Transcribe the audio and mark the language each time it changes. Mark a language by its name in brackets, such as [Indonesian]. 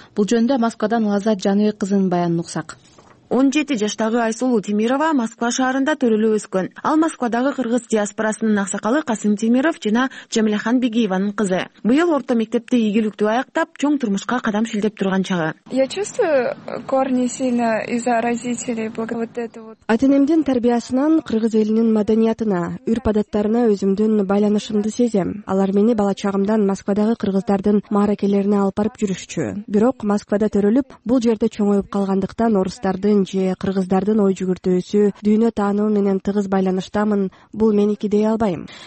[Kyrgyz] Бул жөнүндө Москвадан Лаззат Жаныбек кызынын баянын уксак. 17 жаштагы Айсулуу Темирова Москва шаарында төрөлүп өскөн. Ал Москвадагы кыргыз диаспорасынын аксакалы Касым Темиров жана Жамилахан Бегиеванын кызы. Быйыл орто мектепти ийгиликтүү аяктап, чоң турмушка кадам шилдеп турган чагы. [Russian] Я чувствую корни сильно из-за родителей благо вот это вот. [Kyrgyz] Ата энемдин тарбиясынан кыргыз элинин маданиятына, үрп адаттарына өзүмдүн байланышымды сезем. Алар мени бала чагымдан Москвадагы кыргыздардын маракелерине алып барып жүрүшчү. Бирок Москвада төрөлүп, бул жерде чоңоюп калгандыктан орустар же кыргыздардын ой жүгүртүүсү дүйнө таануу менен тыгыз байланыштамын, бул меники дей албайм.